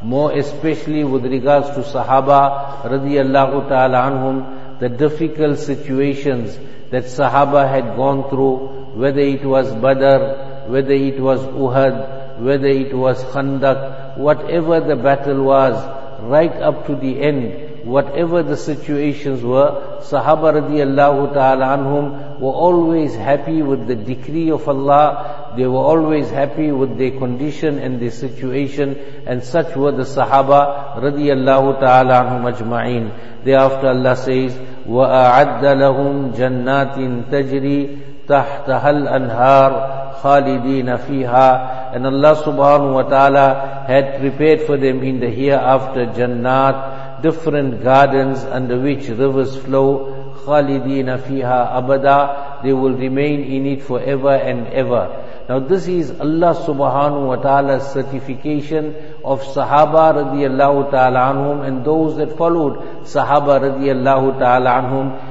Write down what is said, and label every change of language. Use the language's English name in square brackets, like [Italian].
[English] More especially with regards to Sahaba radiallahu ta'ala anhum, the difficult situations that Sahaba had gone through, whether it was Badr, whether it was Uhud, whether it was Khandaq, whatever the battle was, right up to the end, whatever the situations were, Sahaba radiallahu ta'ala anhum were always happy with the decree of Allah. They were always happy with their condition and their situation, and such were the Sahaba radiallahu ta'ala anhum ajma'in. Thereafter Allah says, [Arabic] وَأَعَدَّ لَهُمْ جَنَّاتٍ تَجْرِي تَحْتَهَا الْأَنْهَارِ خَالِدِينَ فِيهَا. [English] And Allah subhanahu wa ta'ala had prepared for them in the hereafter jannat, different gardens under which rivers flow. [Arabic] خَالِدِينَ فِيهَا [English] abada, they will remain in it forever and ever. Now this is Allah subhanahu wa ta'ala's certification of Sahaba radiallahu ta'ala anhum and those that followed Sahaba radiallahu ta'ala anhum.